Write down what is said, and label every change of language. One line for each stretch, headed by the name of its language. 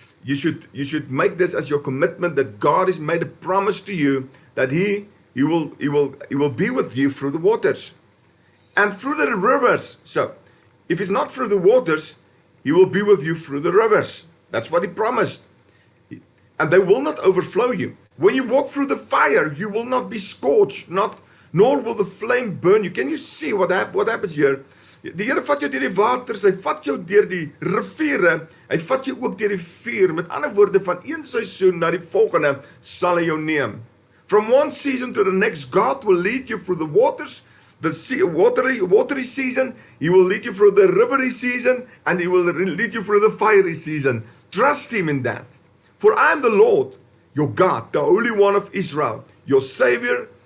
English: You should make this as your commitment that God has made a promise to you that he will be with you through the waters and through the rivers. So if it's not through the waters, he will be with you through the rivers. That's what he promised. And they will not overflow you. When you walk through the fire, you will not be scorched, nor will the flame burn you. Can you see what happens here?
Afrikaans: Die Here vat jou deur die waters, hy vat jou deur die riviere, hy vat jou ook deur die vuur. Met ander woorde, van een seisoen na die volgende sal hy jou neem.
English: From one season to the next, God will lead you through the waters, the sea, watery season, he will lead you through the rivery season, and he will lead you through the fiery season. Trust him in that. For I am the Lord, your God, the Holy One of Israel, your Savior.